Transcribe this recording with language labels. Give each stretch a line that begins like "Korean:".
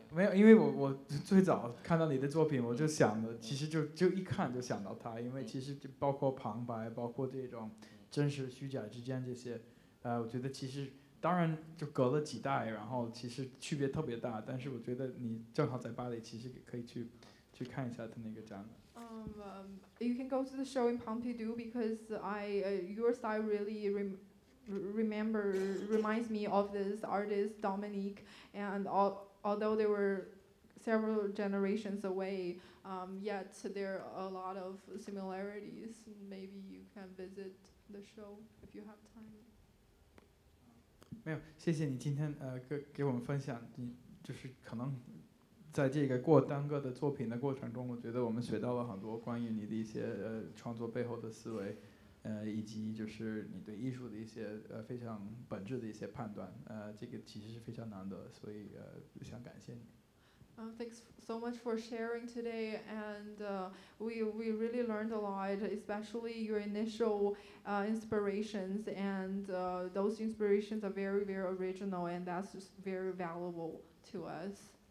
Chinese: 没有，因为 我最早看到你的作品，我就想了，其实 就一看就想到他，因为其实就包括旁白，包括这种真实虚假之间这些，我觉得其实当然就隔了几代，然后其实区别特别大，但是我觉得你正好在巴黎，其实可以去看一下他那个展览。
English: You can go to the show in Pompidou because your style really reminds me of this artist Dominique, and although they were several generations away, yet there are a lot of similarities. Maybe you can visit the show if you have time.
Chinese: 没有，谢谢你今天给我们分享，你就是可能在这个过单个的作品的过程中，我觉得我们学到了很多关于你的一些创作背后的思维。以及就是你对艺术的一些非常本质的一些判断，这个其实是非常难得，所以想感谢你。
English: Thanks so much for sharing today, and we really learned a lot, especially your initial inspirations, and those inspirations are very very original, and that's just very valuable to us.